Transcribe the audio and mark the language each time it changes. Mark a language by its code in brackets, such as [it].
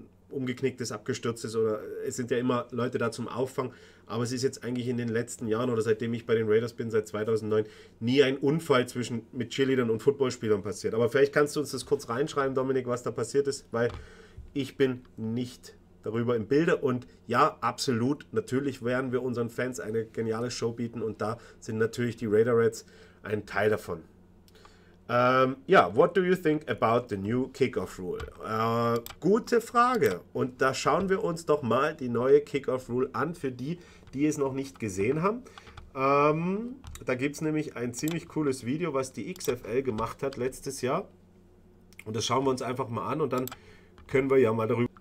[de] umgeknickt ist, abgestürzt ist, oder es sind ja immer Leute da zum Auffangen, aber es ist jetzt eigentlich in den letzten Jahren oder seitdem ich bei den Raiders bin, seit 2009, nie ein Unfall mit Cheerleadern und Footballspielern passiert. Aber vielleicht kannst du uns das kurz reinschreiben, Dominik, was da passiert ist, weil ich bin nicht darüber im Bilde. Und ja, absolut, natürlich werden wir unseren Fans eine geniale Show bieten und da sind natürlich die Raiderettes ein Teil davon. [en] What do you think about the new kickoff rule? [de] Gute Frage. Und da schauen wir uns doch mal die neue kickoff rule an, für die, die es noch nicht gesehen haben. Da gibt es nämlich ein ziemlich cooles Video, was die XFL gemacht hat letztes Jahr. Und das schauen wir uns einfach mal an und dann können wir ja mal darüber.